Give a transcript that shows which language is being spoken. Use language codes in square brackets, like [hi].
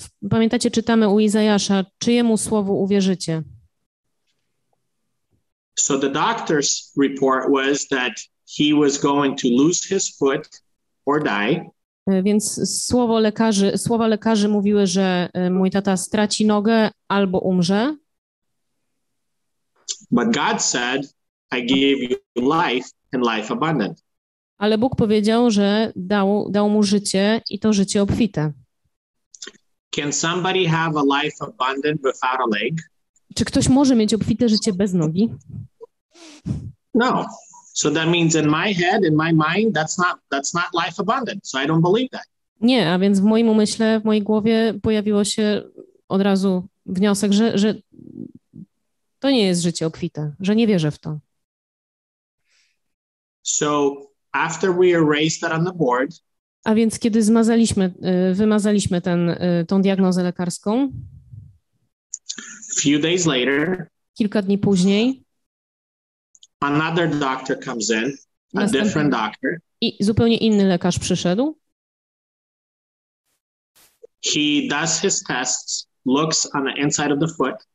[pl] Pamiętacie, czytamy u Izajasza, czyjemu słowu uwierzycie? [en] So the doctor's report was that he was going to lose his foot or die. [pl] Więc słowa lekarzy mówiły, że mój tata straci nogę albo umrze. [en] But God said, I gave you life and life abundant. [pl] Ale Bóg powiedział, że dał mu życie i to życie obfite. [en] Can somebody have a life abundant without a leg? [pl] Czy ktoś może mieć obfite życie bez nogi? [en] No. So that means in my head, in my mind, that's not life abundant. So I don't believe that. [pl] Nie, a więc w moim umyśle, w mojej głowie pojawiło się od razu wniosek, że to nie jest życie obfite, że nie wierzę w to. [en] So after we erased that on the board. [pl] A więc kiedy wymazaliśmy tą diagnozę lekarską. [en] Few days later. [pl] Kilka dni później. [en] Another doctor comes in, a different doctor. [pl] I zupełnie inny lekarz przyszedł. [en] He does his tests, looks on the inside of the foot.